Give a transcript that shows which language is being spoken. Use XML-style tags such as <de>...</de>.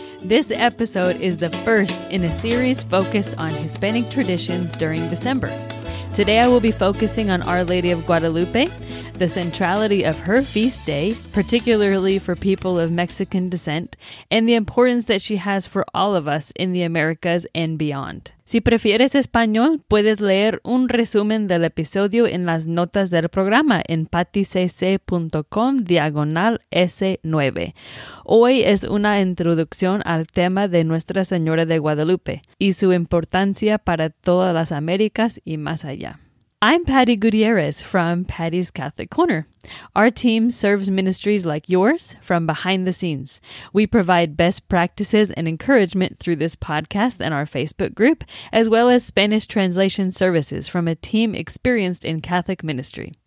<en>This episode is the first in a series focused on Hispanic traditions during December. Today I will be focusing on Our Lady of Guadalupe, the centrality of her feast day, particularly for people of Mexican descent, and the importance that she has for all of us in the Americas and beyond.</en> <es>Si prefieres español, puedes leer un resumen del episodio en las notas del programa en paticc.com/S9. Hoy es una introducción al tema de Nuestra Señora de Guadalupe y su importancia para todas las Américas y más allá.</es> <en>I'm Patty Gutierrez from Patty's Catholic Corner. Our team serves ministries like yours from behind the scenes. We provide best practices and encouragement through this podcast and our Facebook group, as well as Spanish translation services from a team experienced in Catholic ministry.</en>